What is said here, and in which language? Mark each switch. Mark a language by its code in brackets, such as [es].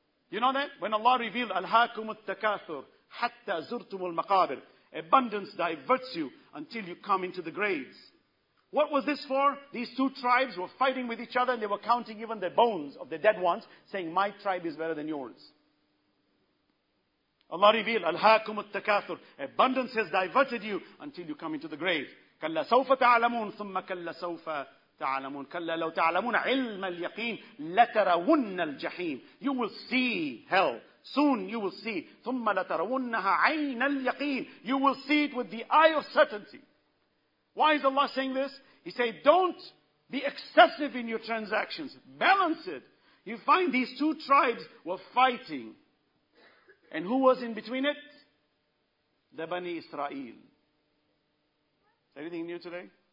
[en] You know that? When Allah revealed, [ar] Al-Hakum al-Takathur, Hatta Zurtum al-Maqabir, [en] abundance diverts you until you come into the graves. What was this for? These two tribes were fighting with each other and they were counting even the bones of the dead ones, saying, my tribe is better than yours. Allah revealed, [ar] Al-Hakum al-Takathur, [en] abundance has diverted you until you come into the grave. [ar] Kalla sawfa ta'alamun, thumma kalla sawfa. تعلمون كلا لو تعلمون علم اليقين لترون الجحيم. [en] You will see hell soon. You will see [ar] ثم لترونها عين اليقين. [en] You will see it with the eye of certainty. Why is Allah saying this? He said, don't be excessive in your transactions, balance it. You find these two tribes were fighting, and who was in between it? The Bani Israel. Anything new today?